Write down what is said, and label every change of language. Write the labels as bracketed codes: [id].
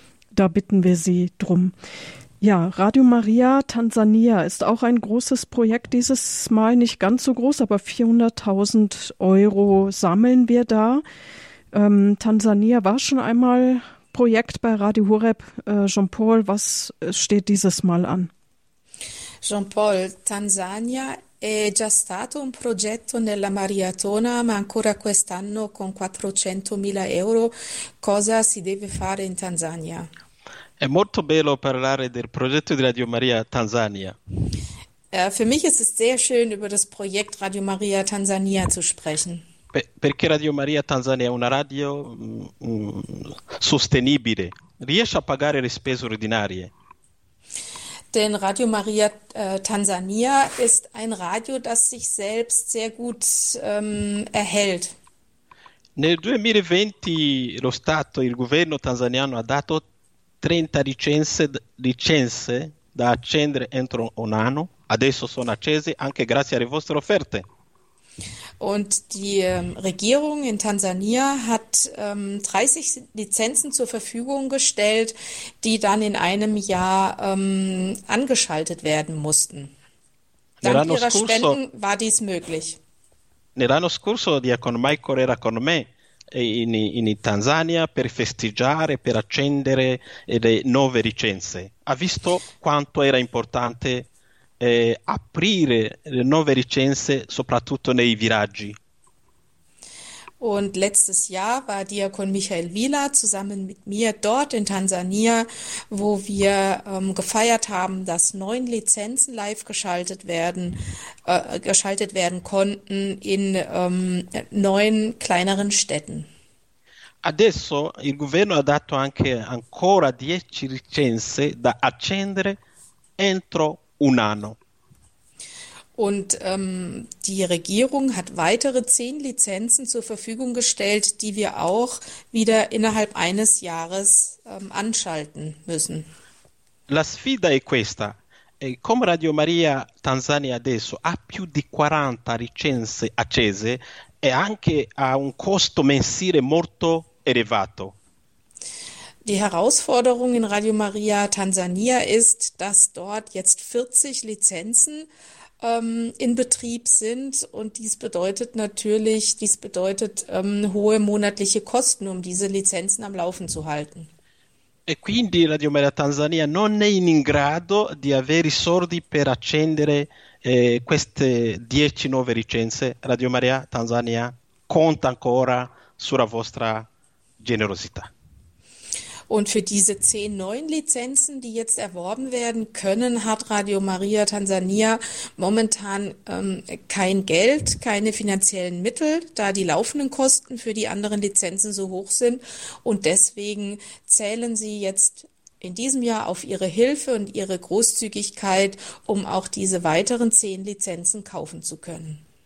[de] Da bitten wir Sie drum. Ja, Radio Maria Tansania ist auch ein großes Projekt, dieses Mal nicht ganz so groß, aber 400.000 Euro sammeln wir da. Tansania war schon einmal Projekt bei Radio Horeb. Jean-Paul, was steht dieses Mal an? [it] Jean-Paul, Tanzania è già stato un progetto nella Mariatona, ma ancora quest'anno con 400.000 euro. Cosa si deve fare in Tanzania? È molto bello parlare del progetto di Radio Maria Tanzania. [de] Für mich ist es sehr schön, über das Projekt Radio Maria Tanzania zu sprechen. [it] Perché Radio Maria Tanzania è una radio sostenibile, riesce a pagare le spese ordinarie. [de] Denn Radio Maria Tansania ist ein Radio, das sich selbst sehr gut erhält. [it] Nel 2020 lo Stato, il governo tanzaniano ha dato 30 licenze da accendere entro un anno, adesso sono accese anche grazie alle vostre offerte. [de] Und die Regierung in Tansania hat 30 Lizenzen zur Verfügung gestellt, die dann in einem Jahr angeschaltet werden mussten. Dank [it] L'anno [de] ihrer [it] scorso, [de] Spenden war dies möglich. [it] Diacono Michael era con me in Tanzania per festeggiare, per accendere le nuove licenze. Ha visto quanto era importante aprire le nuove licenze, soprattutto nei viraggi. [de] Und letztes Jahr war Diakon Michael Wieler zusammen mit mir dort in Tansania, wo wir gefeiert haben, dass 9 Lizenzen live geschaltet werden konnten in 9 kleineren Städten. [it] Adesso il governo ha dato anche ancora 10 licenze da accendere entro un anno. [de] Und die Regierung hat weitere 10 Lizenzen zur Verfügung gestellt, die wir auch wieder innerhalb eines Jahres anschalten müssen. [it] La sfida è questa. Come Radio Maria Tanzania adesso ha più di 40 licenze accese e anche ha un costo mensile molto elevato. [de] Die Herausforderung in Radio Maria Tansania ist, dass dort jetzt 40 Lizenzen in Betrieb sind und dies bedeutet hohe monatliche Kosten, um diese Lizenzen am Laufen zu halten. [it] E quindi Radio Maria Tanzania non è in grado di avere i soldi per accendere queste 10 nuove licenze. Radio Maria Tanzania conta ancora sulla vostra generosità. [de] Und für diese 10 neuen Lizenzen, die jetzt erworben werden können, hat Radio Maria Tansania momentan kein Geld, keine finanziellen Mittel, da die laufenden Kosten für die anderen Lizenzen so hoch sind. Und deswegen zählen sie jetzt in diesem Jahr auf ihre Hilfe und ihre Großzügigkeit, um auch diese weiteren 10 Lizenzen kaufen zu können.